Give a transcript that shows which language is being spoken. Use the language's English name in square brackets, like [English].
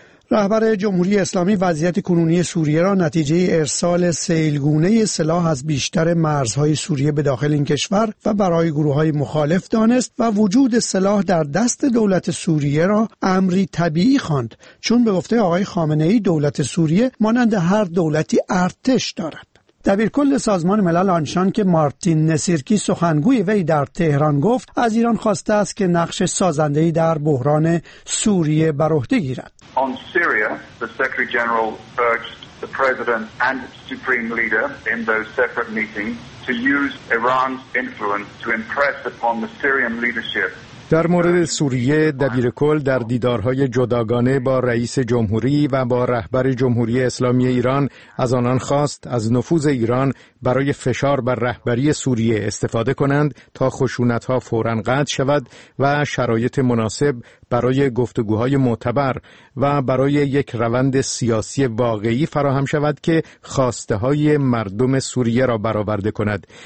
[Persian] رهبر جمهوری اسلامی وضعیت کنونی سوریه را نتیجه ارسال سیلگونه سلاح از بیشتر مرزهای سوریه به داخل این کشور و برای گروه‌های مخالف دانست و وجود سلاح در دست دولت سوریه را امری طبیعی خواند، چون به گفته آقای خامنه‌ای دولت سوریه مانند هر دولتی ارتش دارد. دبیرکل سازمان ملل آنشان که مارتین نسیرکی سخنگوی وی در تهران گفت، از ایران خواسته است که نقش سازنده‌ای در بحران سوریه بر عهده گیرد. [English] On Syria, the Secretary General urged the President and Supreme Leader in those separate meetings to use Iran's influence to impress upon the Syrian leadership. [Persian] در مورد سوریه دبیرکل در دیدارهای جداگانه با رئیس جمهوری و با رهبر جمهوری اسلامی ایران از آنان خواست از نفوذ ایران برای فشار بر رهبری سوریه استفاده کنند تا خشونت‌ها فوراً قطع شود و شرایط مناسب برای گفتگوهای معتبر و برای یک روند سیاسی واقعی فراهم شود که خواسته های مردم سوریه را برآورده کند.